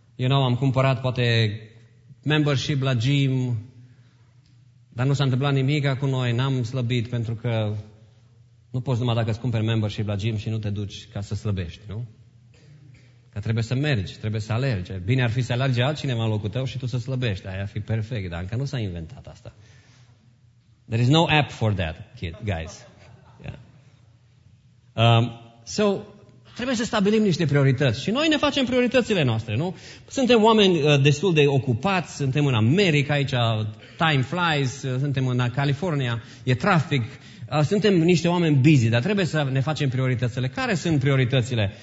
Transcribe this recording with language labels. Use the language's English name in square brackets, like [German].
[Romanian] Am cumpărat poate membership la gym, dar nu s-a întâmplat nimic cu noi, n-am slăbit, pentru că nu poți numai dacă îți cumperi membership la gym și nu te duci ca să slăbești, nu? Că trebuie să mergi, trebuie să alergi. Bine ar fi să alergi altcineva în locul tău și tu să slăbești, aia ar fi perfect, dar încă nu s-a inventat asta. [English] There is no app for that, kid, guys. Yeah. So, [Romanian] trebuie să stabilim niște priorități. Și noi ne facem prioritățile noastre, nu? Suntem oameni destul de ocupați, suntem în America aici, time flies, suntem în California, e trafic. Suntem niște oameni busy, dar trebuie să ne facem prioritățile. Care sunt prioritățile?